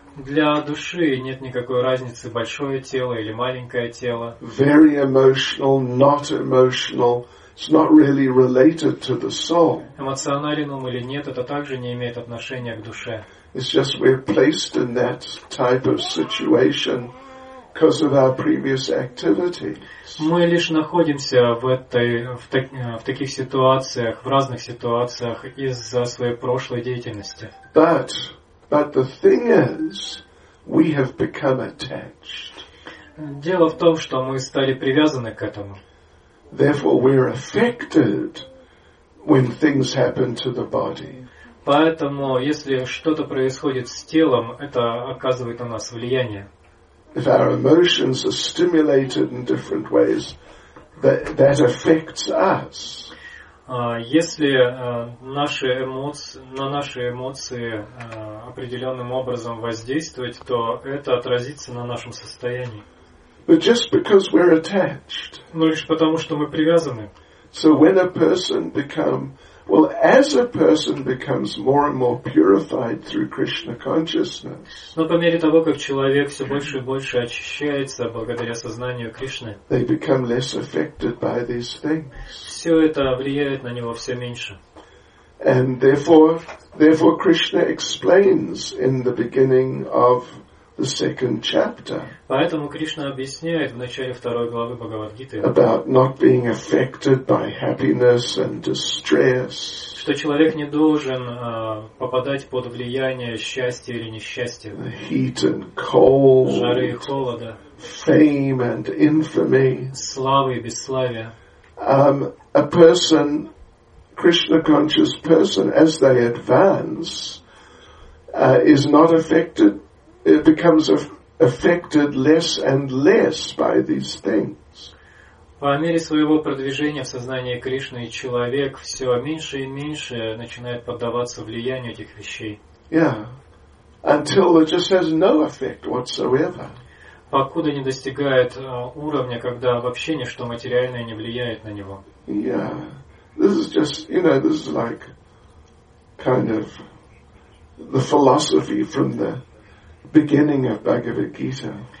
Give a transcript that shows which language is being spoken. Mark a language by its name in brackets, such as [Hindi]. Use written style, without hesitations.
[Russian] Для души нет никакой разницы, большое тело или маленькое тело. [English] Very emotional, not emotional, it's not really related to the soul. [Russian] Эмоционален ум или нет, это также не имеет отношения к душе. [English] It's just we're placed in that type of situation. Because of our previous activities. [Russian] Мы лишь находимся в таких ситуациях, в разных ситуациях из-за своей прошлой деятельности. [English] But the thing is, we have become attached. [Russian] Дело в том, что мы стали привязаны к этому. [English] Therefore, we're affected when things happen to the body. [Russian] Поэтому, если что-то происходит с телом, это оказывает на нас влияние. [English] If our emotions are stimulated in different ways, that affects us. [Russian] Если наши эмоции, на наши эмоции определенным образом воздействовать, то это отразится на нашем состоянии. [English] But just because we're attached. [Russian] Но лишь потому, что мы привязаны. [English] So when a person as a person becomes more and more purified through Krishna consciousness. [Russian] Но по мере того, как человек все больше и больше очищается благодаря сознанию Кришны, [English] they become less affected by these things. [Russian] Все это влияет на него все меньше. [English] And therefore Krishna explains in the beginning of the second chapter. [Russian] Поэтому Кришна объясняет в начале второй главы Бхагавад-гиты [English] about not being affected by happiness and distress. [Russian] Что человек не должен попадать под влияние счастья или несчастья. [English] The heat and cold. [Russian] Жары и холода. [English] Fame and infamy. [Russian] Славы и бесславия. [English] A person, Krishna conscious person, as they advance, is not affected becomes affected less and less by these things. [Russian] По мере своего продвижения в сознании Кришны человек все меньше и меньше начинает поддаваться влиянию этих вещей. [English] Yeah. Until it just has no effect whatsoever. [Russian] Покуда не достигает уровня, когда вообще ничто материальное не влияет на него. [English] Yeah. This is just, you know, this is like kind of the philosophy from the beginning of Bhagavad Gita.